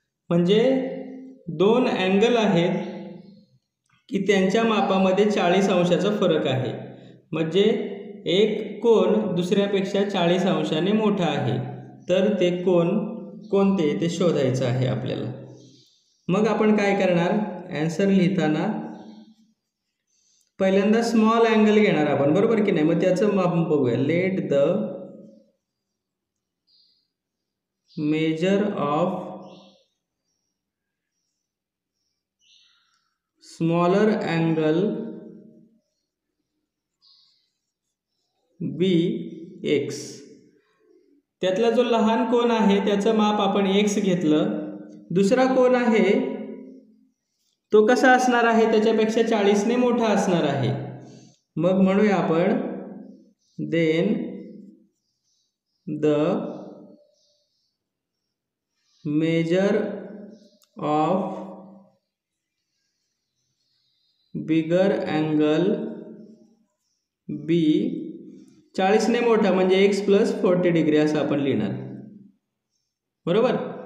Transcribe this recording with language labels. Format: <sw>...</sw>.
<mr>म्हणजे दोन अँगल आहेत की त्यांच्या मापामध्ये 40 अंशाचा फरक आहे, म्हणजे एक कोन दुसऱ्यापेक्षा 40 अंशाने मोठा आहे, तर ते कोन कोणते ते शोधायचं आहे आपल्याला। मग आपण काय करणार, ॲन्सर लिहिताना पहिल्यांदा स्मॉल अँगल घेणार आपण, बरोबर की नाही? मग त्याचं माप बघूया।</mr> <en>Let the measure of smaller angle be X.</en> <mr>त्यातला जो लहान कोन आहे त्याचं माप आपण एक्स घेतलं। दुसरा कोन आहे तो कसा असणार आहे, त्याच्यापेक्षा 40 ने मोठा असणार आहे। मग म्हणूया आपण,</mr> <en>then the measure of bigger angle be,</en> <mr>40 ने मोठा म्हणजे एक्स प्लस 40 डिग्री असं आपण लिहिणार, बरोबर।</mr>